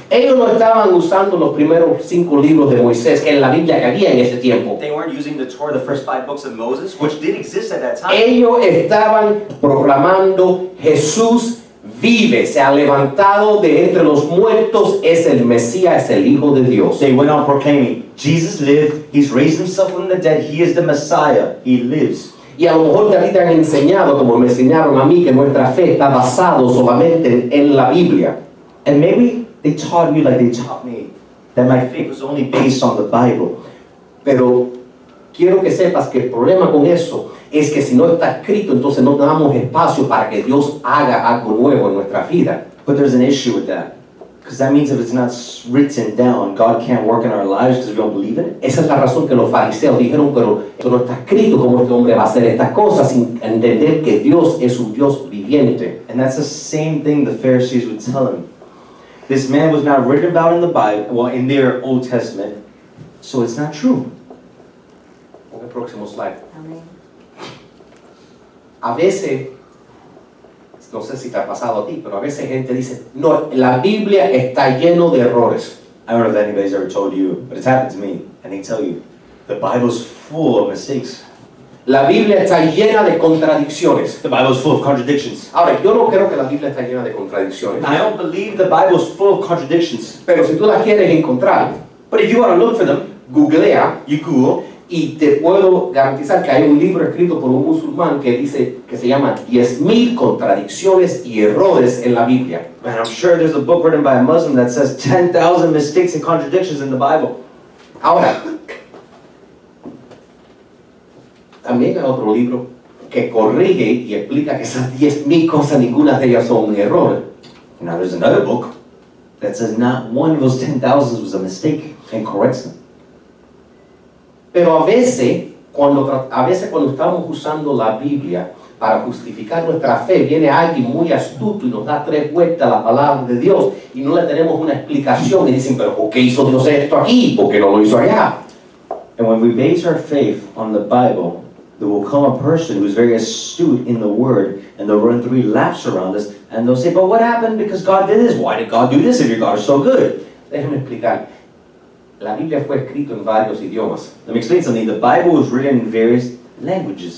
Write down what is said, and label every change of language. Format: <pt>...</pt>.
<es>ellos no estaban usando los primeros 5 libros de Moisés en la Biblia que había en ese tiempo.</es> <en>They weren't using the Torah, the first 5 books of Moses, which did exist at that time.</en> <es>Ellos estaban proclamando Jesús vive, se ha levantado de entre los muertos, es el Mesías, es el Hijo de Dios.</es> <en>They went on proclaiming, Jesus lived, he's raised himself from the dead, he is the Messiah, he lives.</en> <es>Y a lo mejor a ti te han enseñado, como me enseñaron a mí, que nuestra fe está basada solamente en la Biblia.</es> <en>And maybe they taught me like they taught me, that my faith was only based on the Bible.</en> <es>Pero quiero que sepas que el problema con eso es que si no está escrito, entonces no damos espacio para que Dios haga algo nuevo en nuestra vida.</es> <en>But there's an issue with that. Because that means if it's not written down, God can't work in our lives because we don't believe in it.</en> <es>Esa es la razón que los fariseos dijeron, pero esto no está escrito, ¿cómo este hombre va a hacer estas cosas sin entender que Dios es un Dios viviente?</es> <en>And that's the same thing the Pharisees would tell him. This man was not written about in the Bible, well, in their Old Testament, so it's not true.</en> <es>Okay, próximo slide. Amén. A veces... No sé si te ha pasado a ti, pero a veces gente dice, no, la Biblia está lleno de errores.</es> <en>I don't know if anybody's ever told you, but it's happened to me. And they tell you, the Bible's full of mistakes.</en> <es>La Biblia está llena de contradicciones.</es> <en>The Bible's full of contradictions.</en> <es>Ahora, yo no creo que la Biblia está llena de contradicciones.</es> <en>I don't believe the Bible's full of contradictions.</en> <es>Pero si tú la quieres encontrar,</es> <en>but if you want to look for them,</en> <es>googlea,</es> <en>you Google.</en> <es>Y te puedo garantizar que hay un libro escrito por un musulmán que dice que se llama 10,000 contradicciones y errores en la Biblia.</es> <en>And I'm sure there's a book written by a Muslim that says 10,000 mistakes and contradictions in the Bible.</en> <es>Ahora, también hay otro libro que corrige y explica que esas 10,000 cosas, ninguna de ellas son un error.</es> <en>Now there's another book that says not one of those 10,000 was a mistake and corrects them.</en> <es>Pero a veces cuando estamos usando la Biblia para justificar nuestra fe, viene alguien muy astuto y nos da tres vueltas a la palabra de Dios y no le tenemos una explicación y dicen, pero ¿por qué hizo Dios esto aquí? ¿Por qué no lo hizo allá?</es> <en>And when we base our faith on the Bible, there will come a person who is very astute in the Word and they'll run three laps around us and they'll say, but what happened because God did this? Why did God do this if your God is so good?</en> <es>Déjenme explicar. La Biblia fue escrita en varios idiomas.</es> <en>Let me explain something. The Bible was written in various languages.</en>